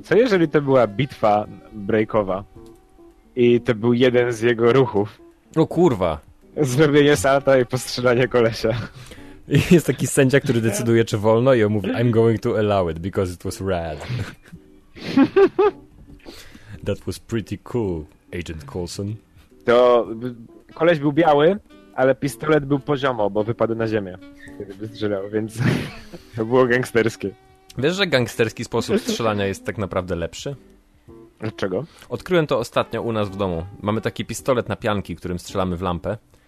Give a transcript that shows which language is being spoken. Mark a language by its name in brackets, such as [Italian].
[Polish] Co jeżeli to była bitwa breakowa i to był jeden z jego ruchów? No kurwa. Zrobienie salta i postrzelanie kolesia. I jest taki sędzia, który decyduje, czy wolno, i on mówi, [English] I'm going to allow it, because it was rad. That was pretty cool, Agent Coulson. [Polish] To koleś był biały, ale pistolet był poziomo, bo wypadł na ziemię, gdyby strzelał, więc to było gangsterskie. Wiesz, że gangsterski sposób strzelania jest tak naprawdę lepszy? Dlaczego? Odkryłem to ostatnio u nas w domu. Mamy taki pistolet na pianki, którym strzelamy w lampę.